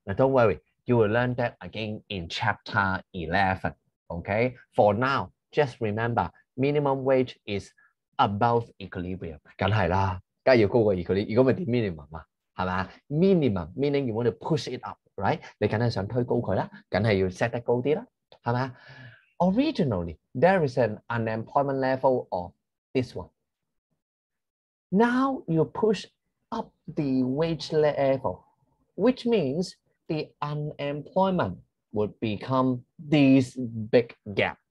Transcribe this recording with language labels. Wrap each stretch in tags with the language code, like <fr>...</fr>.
<en>Now don't worry, you will learn that again in chapter 11, okay? For now, just remember, minimum wage is above equilibrium.</en> <zh>当然啦, 当然要高过 equilibrium, 如果不是 minimum, 是吧?</zh> <en>Minimum, meaning you want to push it up, right?</en> <zh>你当然想推高它啦, 当然要 set 得高一点啦, 是吧?</zh> <en>Originally, there is an unemployment level of this one. Now you push up the wage level, which means the unemployment would become this big gap.</en>